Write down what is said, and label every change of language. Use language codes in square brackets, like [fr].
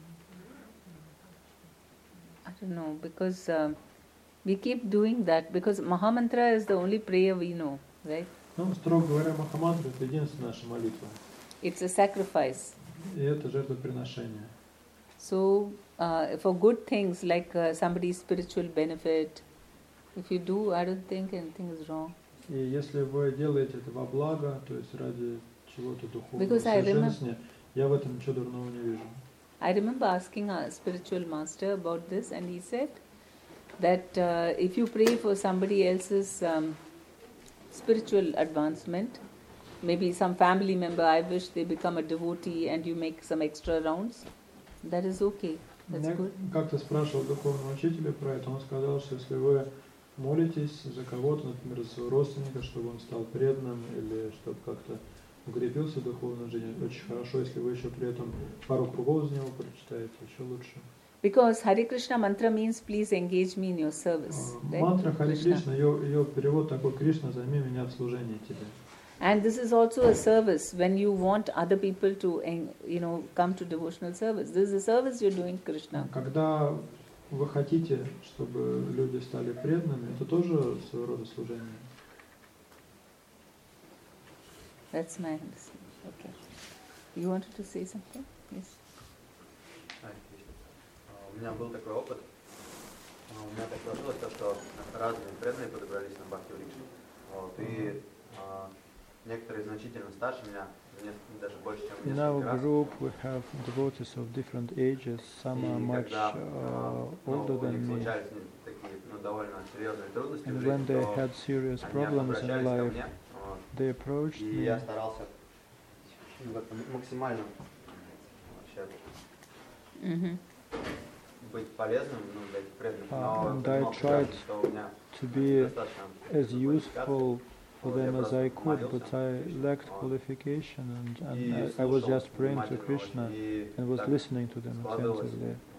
[en] Mm-hmm. I don't know, because we keep doing that, because Maha Mantra is the only prayer we know, right? [ru] Ну, строго говоря, Маха Мантра — это единственная наша молитва. [en] It's a sacrifice. [ru] И это жертвоприношение. [en] So, for good things, like somebody's spiritual benefit, if you do, I don't think anything is wrong. [ru] И если вы делаете это во благо, то есть ради чего-то духовного совершенствования, я в этом ничего дурного не вижу. [en] I remember asking a spiritual master about this, and he said that if you pray for somebody else's spiritual advancement, maybe some family member, I wish they become a devotee, and you make some extra rounds, that is okay. That's good. [ru] Я как-то спрашивал духовного учителя про это, он сказал, что если вы молитесь за кого-то, например, за своего родственника, чтобы он стал преданным или чтобы как-то укрепился в духовной жизни, очень хорошо, если вы еще при этом пару кругов из него прочитаете, еще лучше. [en] Because Hare Krishna mantra means please engage me in your service. [ru] Мантра Hare Krishna, ее перевод такой: Кришна, займи меня в служении тебе. [en] And this is also a service when you want other people to, you know, come to devotional service. This is a service you're doing, Krishna. [ru] Когда вы хотите, чтобы люди стали преданными, это тоже своего рода служение. [en] That's my understanding. Okay. You wanted to say something? Yes. [ru] У меня был такой опыт. У меня так сложилось то, что разные преданные подобрались на Бхакти-Вриксу. Вот. И некоторые значительно старше меня, даже больше, чем несколько раз. [en] In our group we have devotees of different ages. Some are much older than me. And when they had serious problems in life, they approached me. [ru] Я старался максимально вообще быть полезным, ну, для этих преданных. [en] And I tried to be as useful for them as I could, but I lacked qualification, and I was just praying to Krishna and was listening to them attentively.